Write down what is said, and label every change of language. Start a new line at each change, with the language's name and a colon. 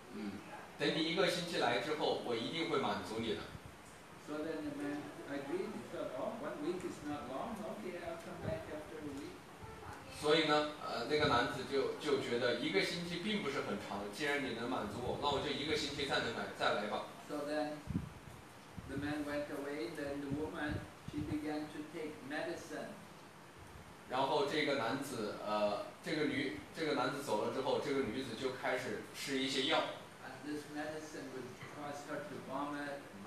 Chinese: 嗯，等你一个星期来之后，我一定会满足你的。
English: So then the man agreed. He thought, "Oh, one week is not long. Okay, I'll come back after a week."
Chinese: 所以呢，那个男子就觉得一个星期并不是很长。既然你能满足我，那我就一个星期再来吧。
English: So then the man went away. Then the woman, she began to take medicine.
Chinese: 然后这个男子，这个男子走了之后，这个女子就开始吃一些药。
English: And this medicine would cause her to vomit.